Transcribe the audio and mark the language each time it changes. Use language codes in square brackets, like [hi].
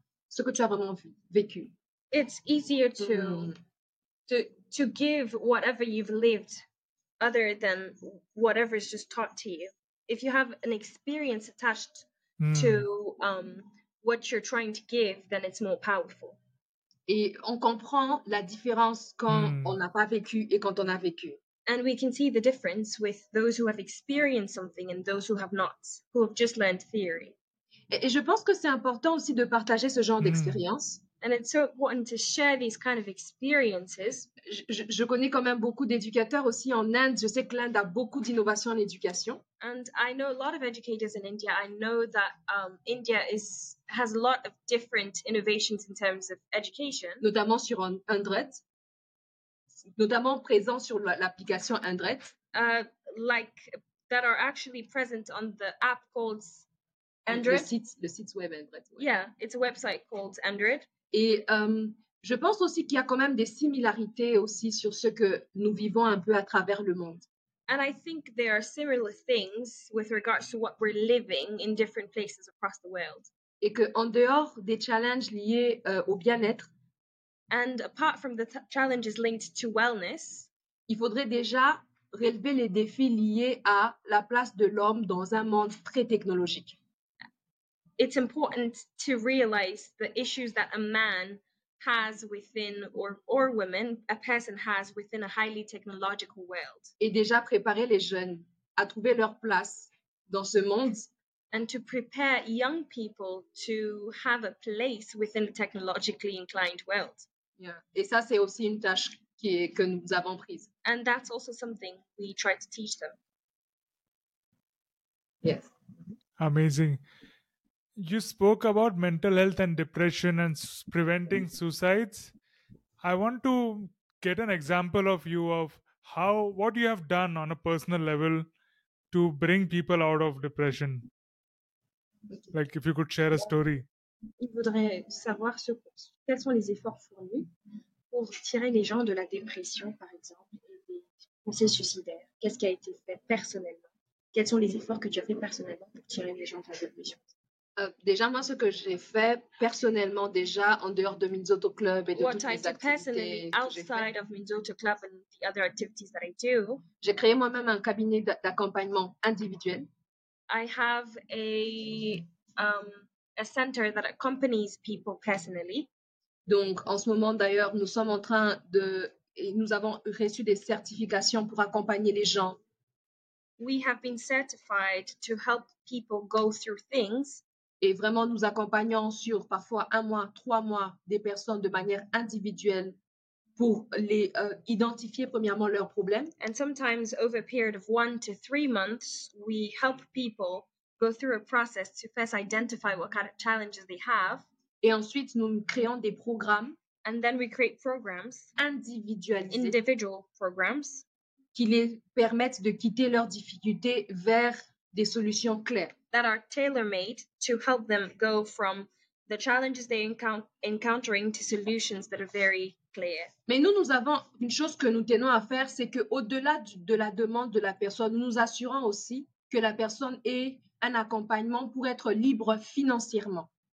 [fr] ce que tu as vraiment vécu. [en] It's easier to give whatever you've lived other than whatever is just taught to you. If you have an experience attached to what you're trying to give, then it's more powerful. [fr] Et on comprend la différence quand on n'a pas vécu et quand on a vécu. [en] And we can see the difference with those who have experienced something and those who have not, who have just learned theory. [fr] Et je pense que c'est important aussi de partager ce genre d'expérience. [en] And it's so important to share these kind of experiences. [fr] Je connais quand même beaucoup d'éducateurs aussi en Inde. Je sais que l'Inde a beaucoup d'innovation en éducation. [en] And I know a lot of educators in India. I know that India has a lot of different innovations in terms of education. [fr] Notamment sur Android. Notamment présent sur l'application Android. [en] Like that are actually present on the app called Android. [fr] Le site web Android. [en] Ouais. Yeah, it's a website called Android. [fr] Et je pense aussi qu'il y a quand même des similarités aussi sur ce que nous vivons un peu à travers le monde. [en] And I think there are similar things with regards to what we're living in different places across the world. [fr] Et qu'en dehors des challenges liés au bien-être, [en] and apart from the challenges linked to wellness, [fr] il faudrait déjà relever les défis liés à la place de l'homme dans un monde très technologique. [en] It's important to realize the issues that a man has within, or women, a person has within a highly technological world. [fr] Et déjà préparer les jeunes à trouver leur place dans ce monde [en] and to prepare young people to have a place within the technologically inclined world. [fr] Yeah, et ça c'est aussi une tâche que nous avons prise. [en] And that's also something we try to teach them. Yes. Amazing. You spoke about mental health and depression and preventing suicides. I want to get an example of you of how what you have done on a personal level to bring people out of depression. Like if you could share a story. [fr] Il voudrait savoir ce, quels sont les efforts fournis pour tirer les gens de la dépression, par exemple, et des pensées suicidaires. Qu'est-ce qui a été fait personnellement? Quels sont les efforts que tu as fait personnellement pour tirer les gens de la dépression? Déjà, moi, ce que j'ai fait personnellement, déjà, en dehors de Minzoto Club et de [en] what [fr] toutes [en] I [fr] les activités que j'ai fait, [en] of Minzoto Club and the other activities that I do, [fr] j'ai créé moi-même un cabinet d'accompagnement individuel. [en] I have a center that accompanies people personally. [fr] Donc, en ce moment, d'ailleurs, nous sommes en train de... Et nous avons reçu des certifications pour accompagner les gens. [en] We have been certified to help people go through things. [fr] Et vraiment, nous accompagnons sur parfois un mois, trois mois, des personnes de manière individuelle pour les identifier premièrement leurs problèmes. [en] And sometimes, over a period of 1 to 3 months, we help people go through a process to first identify what kind of challenges they have. [fr] Et ensuite, nous créons des programmes. [en] And then we create programs. [fr] Individualisés. [en] Individual programs. [fr] Qui les permettent de quitter leurs difficultés vers des solutions claires. [en] That are tailor-made to help them go from the challenges they encountering to solutions that are very clear. [fr] Mais nous, nous avons une chose que nous tenons à faire, c'est qu'au-delà de la demande de la personne, nous nous assurons aussi que la personne ait un accompagnement pour être libre financièrement.